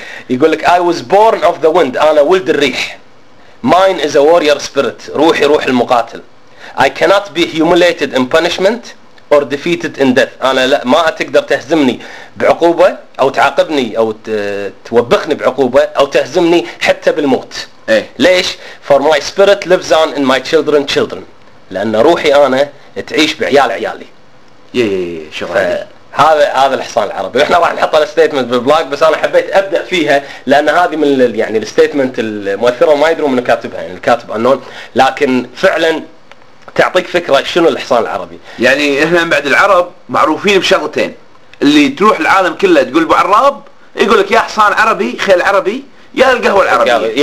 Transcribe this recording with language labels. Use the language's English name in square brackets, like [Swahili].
[Arabic] يقول لك [English] I was born of the wind, [Arabic] أنا ولد الريح. [English] Mine is a warrior spirit, [Arabic] روحي روح المقاتل. [English] I cannot be humiliated in punishment or defeated in death, [Arabic] أنا لا ما تقدر تهزمني بعقوبة أو تعاقبني أو توبخني بعقوبة أو تهزمني حتى بالموت. ايه. ليش؟ [English] For my spirit lives on in my children's children, [Arabic] لأن روحي أنا تعيش بعيال عيالي. هذا الحصان العربي. احنا راح نحط الستيتمنت بالبلاغ, بس انا حبيت ابدا فيها لان هذه من يعني الستيتمنت المؤثره, ما يدرون من كاتبها يعني الكاتب انون, لكن فعلا تعطيك فكره شنو الحصان العربي. يعني احنا من بعد العرب معروفين بشغلتين, اللي تروح العالم كله تقول بعراب يقول لك يا حصان عربي, خيل عربي, يا القهوه العربيه.